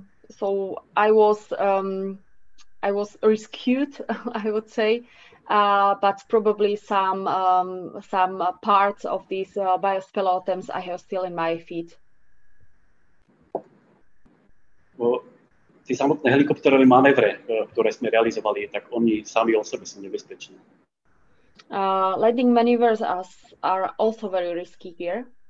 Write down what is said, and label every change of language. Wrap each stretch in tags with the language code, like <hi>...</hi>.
<en>So I was rescued, I would say. But probably some parts of these biospeleothems I have still in my feet.</en> <sk>Tie samotné helikopterové manévre, ktoré sme realizovali, tak oni sami o sebe sú nebezpeční.</sk> <en>Landing maneuvers are also very risky here.</en>